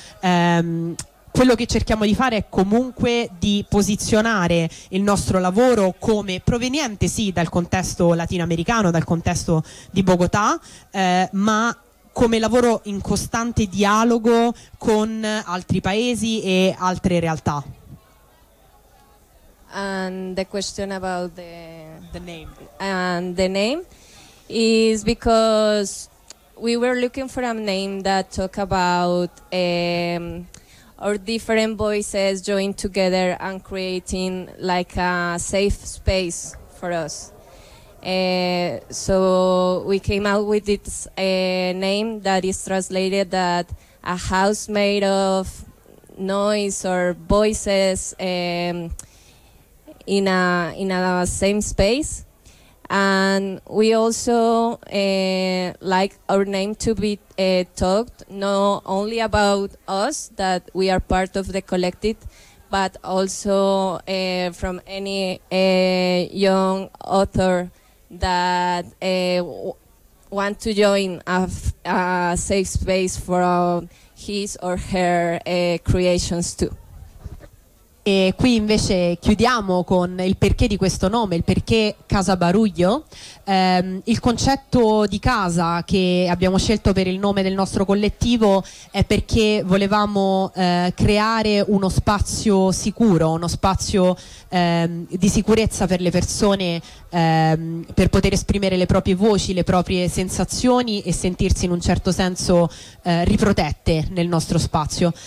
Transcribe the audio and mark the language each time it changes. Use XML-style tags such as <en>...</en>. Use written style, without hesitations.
<it>Quello che cerchiamo di fare è comunque di posizionare il nostro lavoro come proveniente sì dal contesto latinoamericano, dal contesto di Bogotà, ma come lavoro in costante dialogo con altri paesi e altre realtà.</it> <en>And the question about the name. And the name is because we were looking for a name that talk about or different voices join together and creating like a safe space for us. So we came out with this name that is translated that a house made of noise or voices in a same space. And we also like our name to be talked not only about us, that we are part of the collective, but also from any young author that want to join a safe space for his or her creations too.</en> <it>E qui invece chiudiamo con il perché di questo nome, il perché Casa Baruglio. Il concetto di casa che abbiamo scelto per il nome del nostro collettivo è perché volevamo creare uno spazio sicuro, uno spazio di sicurezza per le persone, per poter esprimere le proprie voci, le proprie sensazioni e sentirsi in un certo senso riprotette nel nostro spazio.</it>